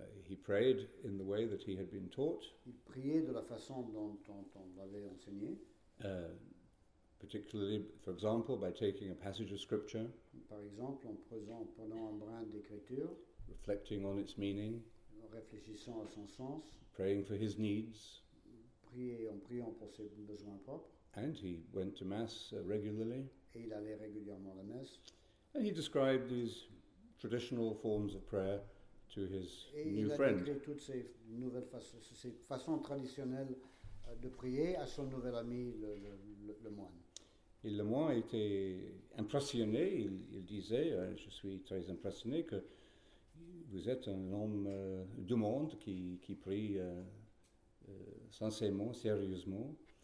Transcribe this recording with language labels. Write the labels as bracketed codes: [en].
[en] He prayed in the way that he had been taught. [fr] Il priait de la façon dont on l'avait enseigné. [en] Particularly, for example, by taking a passage of scripture. [fr] Par exemple, prenant un brin d'écriture. [en] Reflecting on its meaning. [fr] Réfléchissant à son sens. [en] Praying for his needs. [fr] En priant pour ses besoins propres. [en] And he went to mass regularly. [fr] Et il allait régulièrement à la messe. [en] And he described these traditional forms of prayer to his [fr] et [en] new [fr] il a [en] friend. [fr] Décrit toutes ces façons traditionnelles de prier à son nouvel ami, le moine. Et le moine était impressionné, il disait, je suis très impressionné que vous êtes un homme du monde qui prie sincèrement, sérieusement.